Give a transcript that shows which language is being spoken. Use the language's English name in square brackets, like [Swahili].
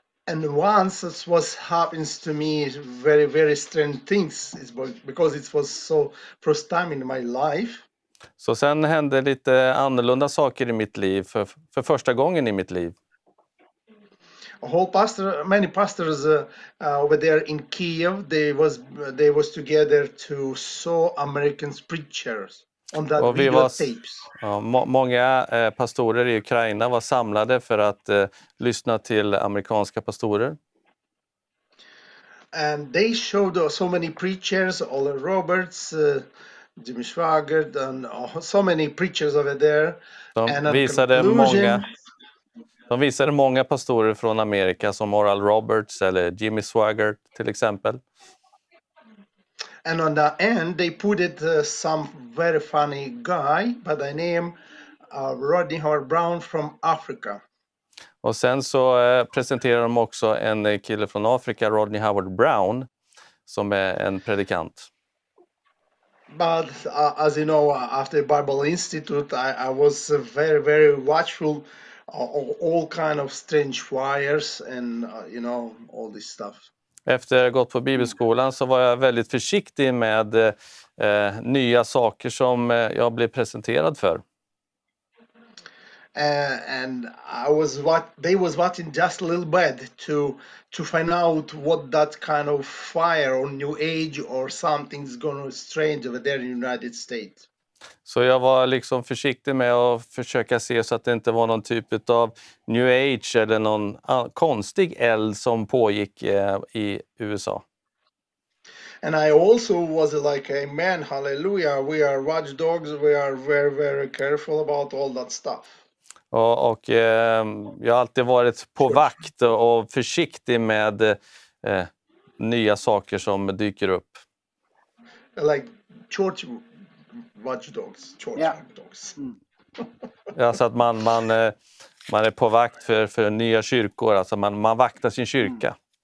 [English] And once this was happens to me very very strange things because it was so first time in my life. [Swedish] Så sen hände lite annorlunda saker i mitt liv för första gången i mitt liv. [English] Whole pastor, many pastors over there in Kiev, they was together to saw American preachers on that video tapes. [Swedish] Ja, många pastorer i Ukraina var samlade för att lyssna till amerikanska pastorer. [English] And they showed so many preachers, Ole Roberts, Jimmy Swaggart, and so many preachers over there. [Swedish] De visade många. De visade många pastorer från Amerika som Oral Roberts eller Jimmy Swaggart till exempel. [English] And on the end they put it some very funny guy by the name Rodney Hart Brown from Africa. [Swedish] Och sen så presenterar de också en kille från Afrika, Rodney Howard Brown, som är en predikant. [English] But as you know, after Bible Institute I was very very watchful. All kind of strange wires and you know all this stuff. [Swedish] Efter jag gått på bibelskolan så var jag väldigt försiktig med nya saker som jag blev presenterad för. [English] And I was what they was watching just a little bit to find out what that kind of fire or new age or something's going to strange over there in the United States. [Swedish] Så jag var liksom försiktig med att försöka se så att det inte var någon typ av New Age eller någon konstig eld som pågick i USA. [English] And I also was like, amen, hallelujah, we are watchdogs, we are very, very careful about all that stuff. [Swedish] Och jag har alltid varit på vakt och försiktig med nya saker som dyker upp. [English] Like church watchdogs, church watchdogs. [Swedish] Ja, så att man är på vakt för nya kyrkor, alltså man vaktar sin kyrka.